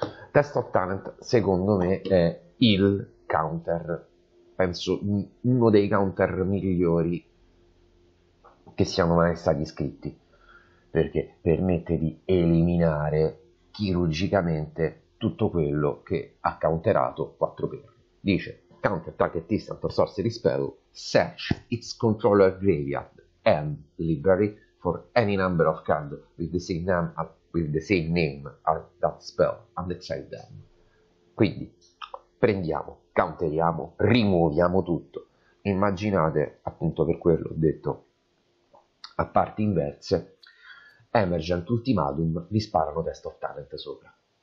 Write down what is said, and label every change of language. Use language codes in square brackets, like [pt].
[it] Test of Talent, secondo me, è il counter, penso uno dei counter migliori che siano mai stati scritti, perché permette di eliminare chirurgicamente tutto quello che ha counterato 4 per. [en] Dice: Counter target instant or sorcery spell, search its controller graveyard and library for any number of cards with the same name as that spell and exile them. [it] Quindi prendiamo, counteriamo, rimuoviamo tutto. Immaginate, appunto, per quello ho detto a parti inverse, Emergent Ultimatum, vi sparano Test of Talent sopra.